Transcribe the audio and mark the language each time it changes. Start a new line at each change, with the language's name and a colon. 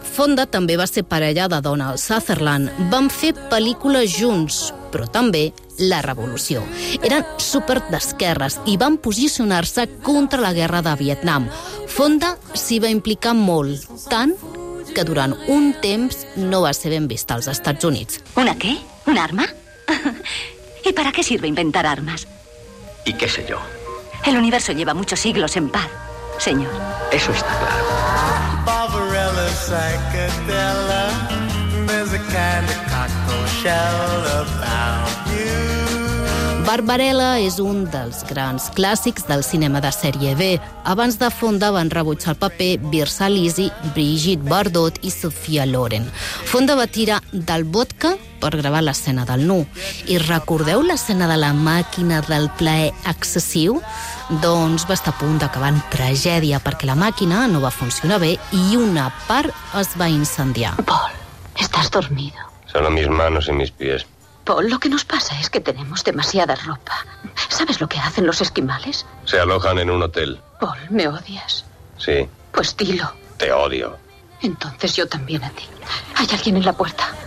Catalan: Fonda també va ser parella de Donald Sutherland. Van fer pel·lícules junts, però també La Revolució. Eren super d'esquerres i van posicionar-se contra la guerra de Vietnam. Fonda s'hi va implicar molt, tant que durant un temps no va ser ben vista als Estats Units. Una què? Una arma?
Spanish: ¿Y para qué sirve inventar armas? ¿Y qué sé yo? El universo lleva muchos siglos en paz, señor. Eso está claro. Barbarella, psychedella,
English: there's a kind of cocktail shell about you.
Catalan: Barbarella és un dels grans clàssics del cinema de sèrie B. Abans de Fonda van rebutjar el paper Virsa Lisi, Brigitte Bardot i Sophia Loren. Fonda va tirar del vodka per gravar l'escena del nu. I recordeu l'escena de la màquina del plaer excessiu? Doncs va estar a punt d'acabar en tragèdia perquè la màquina no va funcionar bé i una part es va incendiar.
Spanish: Paul, estàs dormido. Solo mis manos y mis pies. Paul, lo que nos pasa es que tenemos demasiada ropa. ¿Sabes lo que hacen los esquimales? Se alojan en un hotel. Paul, ¿me odias? Sí. Pues dilo. Te odio. Entonces yo también a ti. Hay alguien en la puerta.